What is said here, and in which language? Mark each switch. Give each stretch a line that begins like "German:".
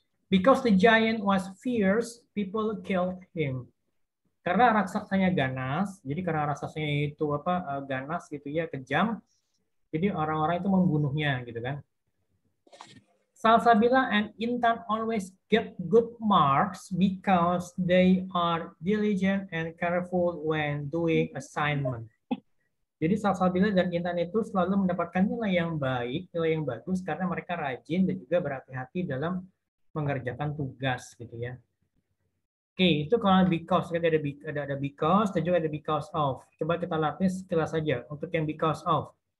English: Because the giant was fierce, people killed him.
Indonesian: Karena raksasanya ganas, jadi karena raksasanya itu apa ganas gitu ya, kejam, jadi orang-orang itu membunuhnya gitu kan.
English: Salsabila and Intan always get good marks because they are diligent and careful when doing assignment.
Indonesian: Jadi Salsabila dan Intan itu selalu mendapatkan nilai yang baik, nilai yang bagus karena mereka rajin dan juga berhati-hati dalam mengerjakan tugas gitu ya. Oke, okay, itu kalau because kan ada because dan juga ada because of. Coba kita latih sekilas saja untuk yang because of.